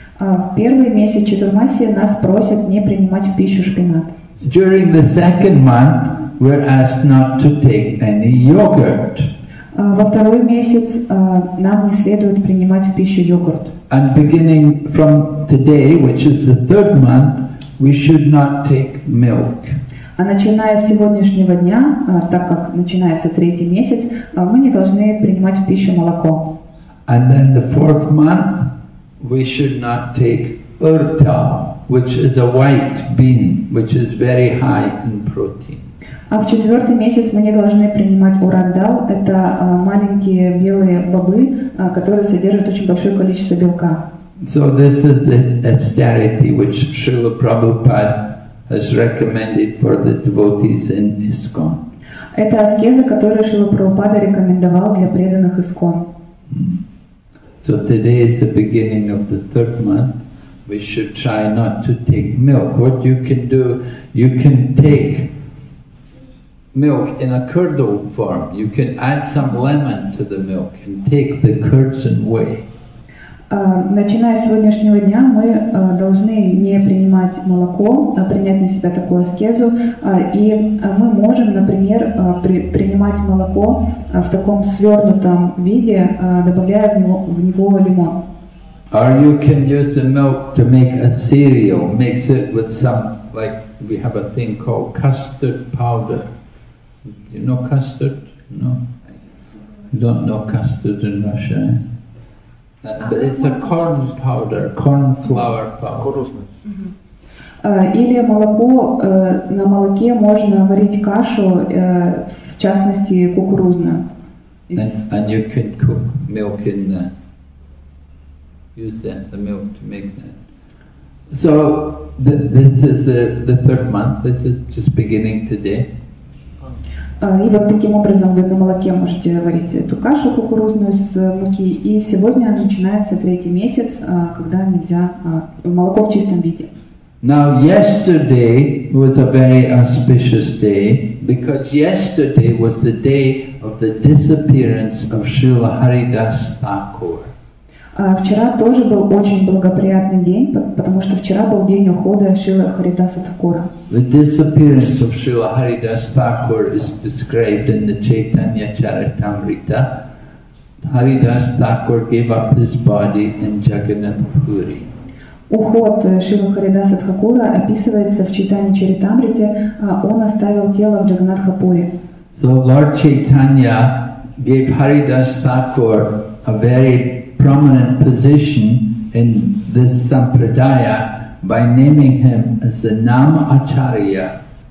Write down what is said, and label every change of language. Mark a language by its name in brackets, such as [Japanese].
[Russian] В первый месяц четвермасия нас просят не принимать в пищу шпинат. [English] During the second month, we're asked not to take any yogurt. [Russian] Во второй месяц нам не следует принимать в пищу йогурт. [English] And beginning from today, which is the third month, we should not take milk. [Russian] А начиная с сегодняшнего дня, так как начинается третий месяц, мы не должны принимать в пищу молоко. [English] And then the fourth month, we should not take urta, which is a white bean, which is very high in protein. [Russian] А в четвертый месяц мы не должны принимать урандал. Это маленькие белые бобы, которые содержат очень большое количество белка. [English] So this is the austerity which Srila Prabhupada has recommended for the devotees in ISKCON. [Russian] Это аскеза, которую Шрила Прабхупада рекомендовал для преданных ISKCON. [English] So today is the beginning of the third month. We should try not to take milk. What you can do, you can take milk in a curdled form. You can add some lemon to the milk and take the curds and whey. [Russian] Начиная с сегодняшнего дня, мы должны не принимать молоко, а принять на себя такую аскезу. И мы можем, например, принимать молоко в таком свернутом виде, добавляя в него лимон. [English] Or you can use the milk to make a cereal. Mix it with some, like we have a thing called custard powder. You know custard? No? You don't know custard in Russia, eh? But it's a corn powder, corn flour powder. [Russian] Или молоко, на молоке можно варить кашу, в частности кукурузную. [English] And you can cook milk in that. Use that, the milk to make that. So this is the third month, this is just beginning today. [Russian] И вот таким образом вы на молоке можете варить эту кашу кукурузную с муки. И сегодня начинается третий месяц, когда нельзя молоко в чистом виде. [English] Now yesterday was a very auspicious day, because yesterday was the day of the disappearance of Srila Haridas Thakur. [Russian] Вчера тоже был очень благоприятный день, потому что вчера был день ухода Шрилы Харидаса Такура. [English] The disappearance of Srila Haridas Thakur is described in the Chaitanya Charitamrita. Haridas Thakur gave up his body in Jagannath Puri. [Russian] Уход Шрилы Харидаса Такура описывается в Чайтанья Чаритамрите. Он оставил тело в Джаганнатха Пури. [English] So Lord Chaitanya gave Haridas Thakur a very prominent position in this sampradaya by naming him as the Nam Acharya.